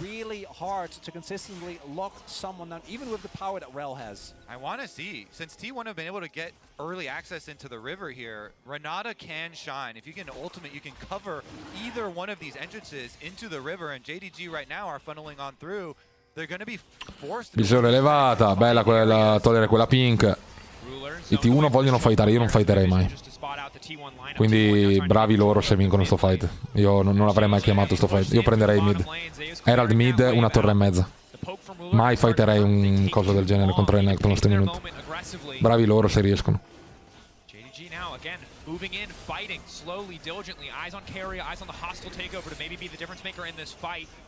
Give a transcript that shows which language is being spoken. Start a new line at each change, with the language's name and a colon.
English: I want to see, since T1 have been able to get early access into the river here, Renata can shine. If you can ultimate, you can cover either one of these entrances into the river, and JDG right now are funneling on through. They're going to be forced to...
Italian: Visione elevata, bella quella, togliere quella pink. I T1 vogliono fightare, io non fighterei mai. Quindi bravi loro se vincono sto fight. Io non avrei mai chiamato sto fight. Io prenderei mid. Herald mid, una torre e mezza. Mai fighterei un coso del genere contro Renekton in questo minuto. Bravi loro se riescono.
English: JDG now again moving in, fighting slowly, diligently, eyes on carry, eyes on the hostile takeover to maybe be the difference maker in this fight.